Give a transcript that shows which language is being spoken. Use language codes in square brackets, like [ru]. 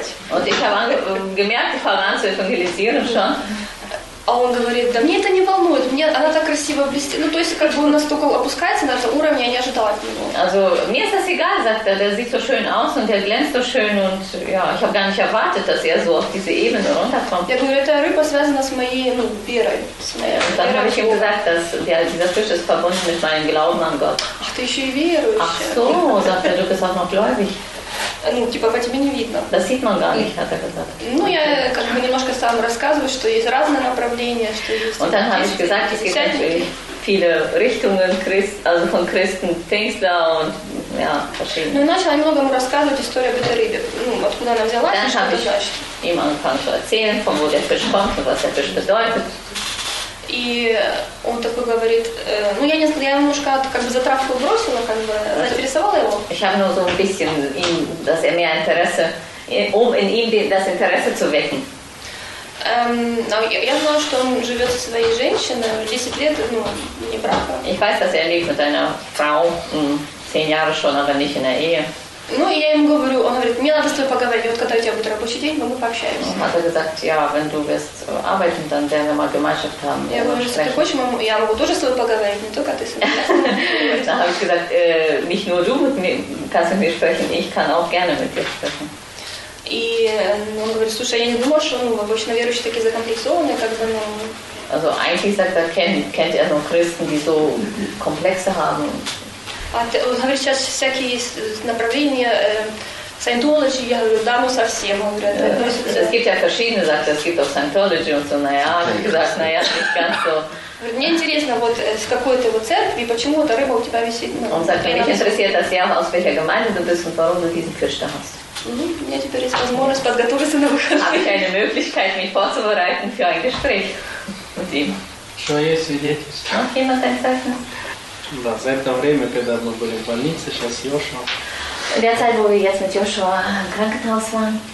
[de] Und ich habe gemerkt, ich fange an zu evangelisieren schon. Und er sagt, mir das nicht [ru] волнует, она так красиво блестит. Ну, то есть, как бы он настолько опускается на этот уровень, я не ожидала от него. [de] Also, mir ist das egal, sagt er, der sieht so schön aus und er glänzt so schön und ja, ich habe gar nicht erwartet, dass er so auf diese Ebene runterkommt. [ru] Я говорю, эта рыба связана с моей, ну, верой. [de] Und dann habe ich ihm gesagt, dass dieser Fisch ist verbunden mit meinem Glauben an Gott. [ru] Ach, ты еще и веруешь. [de] Ach so, sagt er, du bist auch noch gläubig. [ru] Ну, типа, по тебе не видно. [de] Das sieht man gar nicht, hat er gesagt. [ru] Ну, я как бы немножко сам рассказываю, что есть разные направления, что есть... [de] Und dann habe ich gesagt, es gibt natürlich viele Richtungen, also von Christen, Pfingstler und, ja, verschiedene. [ru] Ну, начала немного ему рассказывать историю об этой рыбе. Ну, откуда она взялась, [de] dann habe ich ihm angefangen zu erzählen, von wo der Fisch kommt und was der Fisch bedeutet. [ru] И он такой говорит, ну я несколько, я немножко как бы затравку бросила, как бы заинтересовала его. [de] Ich habe nur so ein bisschen ihm, dass er mehr Interesse, um in ihm das Interesse zu wecken. [ru] Я знала, что он живет со своей женщиной 10 лет, ну, не брака. [de] Ich weiß, dass er lebt mit einer Frau 10 Jahre schon, aber nicht in der Ehe. [ru] Ну, я ему говорю, он говорит, мне надо с тобой поговорить, вот когда у тебя будет рабочий день, мы пообщаемся. [de] Hat er gesagt, ja, wenn du wirst arbeiten, dann werden wir mal Gemeinschaft haben. [ru] Я говорю, если ты хочешь, я могу тоже с тобой поговорить, не только ты с ним. [de] Dann habe ich gesagt, nicht nur du kannst mit mir sprechen, ich kann auch gerne mit dir sprechen. [ru] И он говорит, слушай, я не думал, что обычно верующие такие закомплексованные, как бы, ну... [de] Also, eigentlich sagt er, kennt er nur Christen, die so Komplexe haben. [ru] А ты, он говорит, сейчас всякие направления Scientology, я говорю, да, ну совсем. Он говорит, да. [de] Es gibt ja verschiedene Sachen, es gibt auch Scientology und so, naja, gesagt, naja, nicht ganz so. [ru] Мне интересно, вот с какой ты вот церкви, почему эта рыба у тебя висит? [de] Он sagt, mich interessiert das ja, aus welcher Gemeinde du bist und warum du diesen Fisch da hast. [ru] У меня теперь есть возможность подготовиться на выходные. [de] Habe ich eine Möglichkeit, mich vorzubereiten für ein Gespräch mit ihm. [ru] Что есть свидетельство? [de] Noch jemand ein Zeugnis? [ru] Да, за это время, когда мы были в больнице, сейчас Йошуа. [de] In der Zeit, wo wir jetzt mit Joshua im Krankenhaus waren.